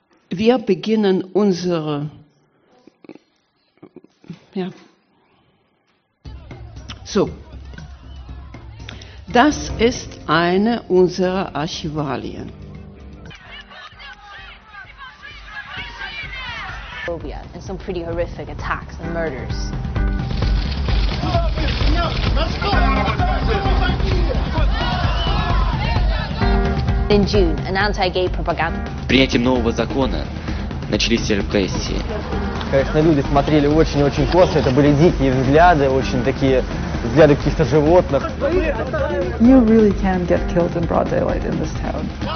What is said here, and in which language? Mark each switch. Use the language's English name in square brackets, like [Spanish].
[German] Wir beginnen unsere, ja. So, das ist eine unserer Archivalien. [English] And some pretty horrific attacks and murders. In June, an anti-gay propaganda. [Russian] Принятием нового закона начались репрессии. Конечно, люди смотрели очень-очень косо. Это были дикие взгляды, очень такие. [English] You really can get killed in broad daylight in this town.